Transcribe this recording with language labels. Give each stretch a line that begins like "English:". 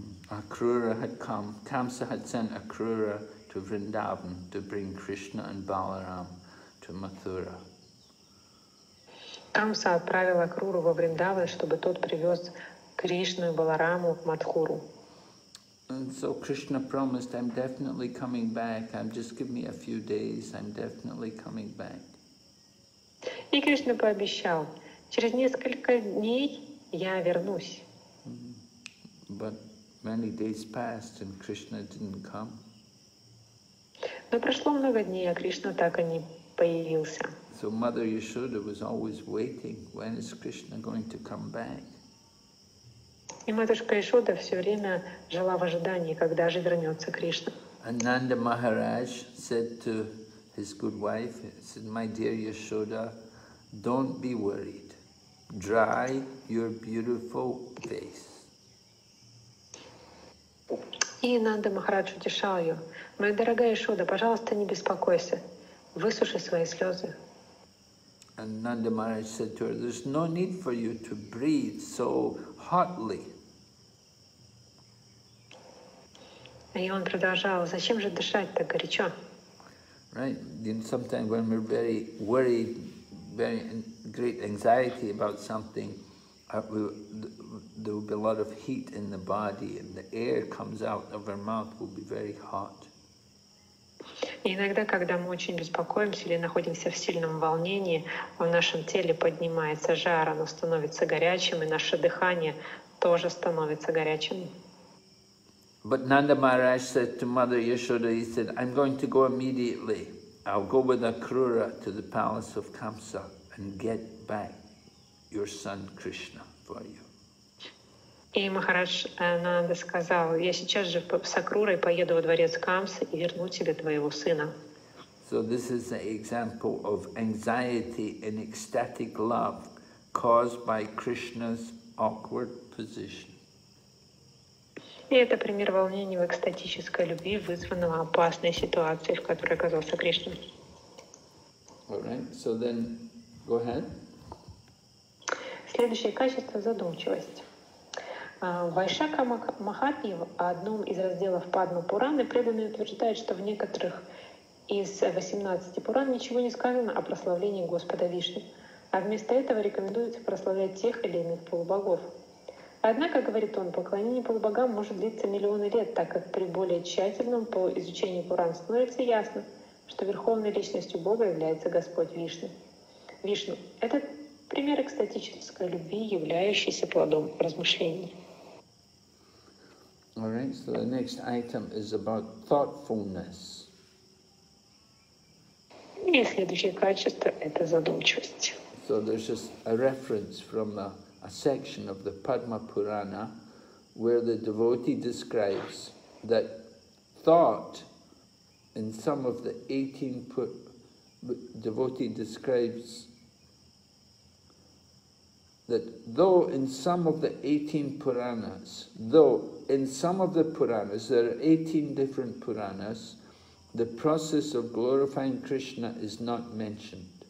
English: Акрура had come. Камса had sent Акрура to Vrindavan to bring Krishna and Balaram to Mathura.
Russian: Камса отправила Акруру во Вриндаван, чтобы тот привез Кришну и Балараму в Мадхуру.
English: And so Krishna promised, I'm definitely coming back. I'm just give me a few days. I'm definitely coming back.
Russian: И Кришна пообещал, через несколько дней я вернусь.
English: But many days passed and Krishna didn't come.
Russian: Но прошло много дней, а Кришна так и не появился.
English: So Mother Yashoda was always waiting. When is Krishna going to come back?
Russian: И матушка Яшода все время жила в ожидании, когда же вернется Кришна.
English: Ананда Махарадж said to his good wife, he said, my dear Yashoda, don't be worried. Dry your beautiful face.
Russian: И Ананда Махарадж утешал ее. Моя дорогая Яшода, пожалуйста, не беспокойся. Высуши свои слезы.
English: Ананда Махарадж said to her, there's no need for you to breathe so hotly.
Russian: И он продолжал, зачем же дышать так горячо?
English: Right. Then sometimes when we're very worried, very great anxiety about something, there will be a lot of heat in the body and the air comes out of our mouth will be very hot.
Russian: И иногда, когда мы очень беспокоимся или находимся в сильном волнении, в нашем теле поднимается жар, оно становится горячим, и наше дыхание тоже становится горячим.
English: But Nanda Maharaj said to Mother Yashoda, he said, I'm going to go immediately. I'll go with Akrura to the palace of Kamsa and get back your son Krishna for you.
Russian: И Махарадж Нанда сказал, я сейчас же с Акрурой поеду во дворец Камса и верну тебе твоего сына.
English: So this is an example of anxiety and ecstatic love caused by Krishna's awkward position.
Russian: И это пример волнения в экстатической любви, вызванного опасной ситуацией, в которой оказался Кришна.
English: All right, so then, go ahead.
Russian: Следующее качество – задумчивость. Вайшака Махатми в одном из разделов Падма Пураны преданный утверждает, что в некоторых Из 18 Пуран ничего не сказано о прославлении Господа Вишну, а вместо этого рекомендуется прославлять тех или иных полубогов. Однако, говорит он, поклонение полубогам может длиться миллионы лет, так как при более тщательном по изучению Пуран становится ясно, что верховной личностью Бога является Господь Вишну. Вишну — это пример экстатической любви, являющейся плодом размышлений.
English: All right, so the next item is about thoughtfulness.
Russian: И следующее качество — это задумчивость.
English: So there's just a reference from a section of the Padma Purana where the devotee describes that thought in some of the 18 devotee describes that though in some of the 18 Puranas, though in some of the Puranas, there are 18 different Puranas, the process of glorifying Krishna is not mentioned.